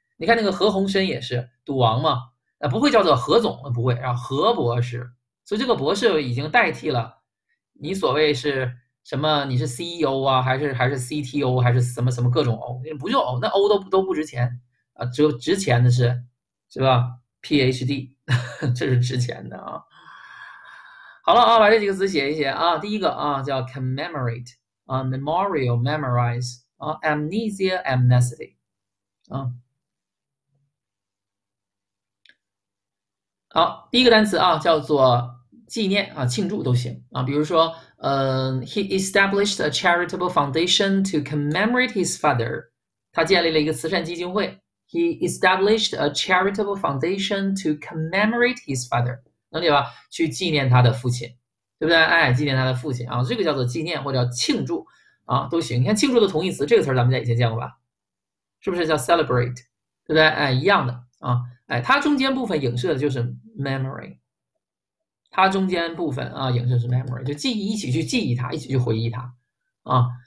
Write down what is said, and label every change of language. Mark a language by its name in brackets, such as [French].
[Chinese] 你看那个何鸿燊也是赌王嘛，不会叫做何总，不会，然后何博士，所以这个博士已经代替了你所谓是什么？你是 CEO 啊，还是 CTO 还是什么什么各种 O？不用 O，那 O 都不值钱啊，只有值钱的是吧？PhD 这是值钱的啊。好了啊，把这几个词写一写啊。第一个啊叫 commemorate 啊，memorial memorize 啊，amnesia amnesty 啊。好，第一个单词啊叫做纪念啊，庆祝都行啊。比如说， [English] he established a charitable foundation to commemorate his father。 [Chinese] 他建立了一个慈善基金会。 [English] He established a charitable foundation to commemorate his father。 [Chinese] 能理解吧？去纪念他的父亲，对不对？哎，纪念他的父亲啊，这个叫做纪念或者叫庆祝啊，都行。你看庆祝的同义词，这个词咱们在以前见过吧？是不是叫 celebrate？ 对不对？哎，一样的啊。哎，它中间部分影射的就是 memory，它中间部分啊影射是 memory，就记忆，一起去记忆它，一起去回忆它啊。